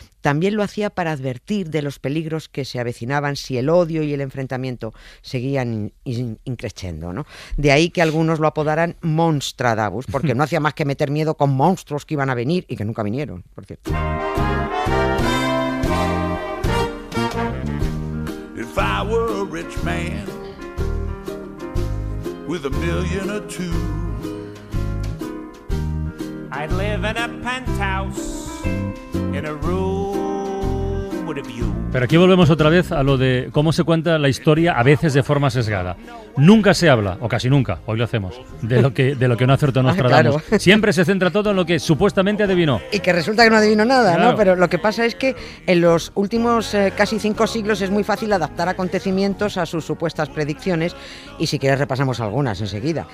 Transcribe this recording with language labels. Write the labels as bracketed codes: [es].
[es] También lo hacía para advertir de los peligros que se avecinaban si el odio y el enfrentamiento seguían increciendo, ¿no? De ahí que algunos lo apodaran Monstradamus, porque no hacía más que meter miedo con monstruos que iban a venir y que nunca vinieron, por cierto. [en] If I were a rich man with a million or two, I'd live in a penthouse in a room with a view. [es] Pero aquí volvemos otra vez a lo de cómo se cuenta la historia a veces de forma sesgada. Nunca se habla, o casi nunca, hoy lo hacemos, de lo que no acertó Nostradamus. Claro. Siempre se centra todo en lo que supuestamente adivinó. Y que resulta que no adivinó nada, claro. ¿No? Pero lo que pasa es que en los últimos casi 5 siglos es muy fácil adaptar acontecimientos a sus supuestas predicciones, y si quieres repasamos algunas enseguida.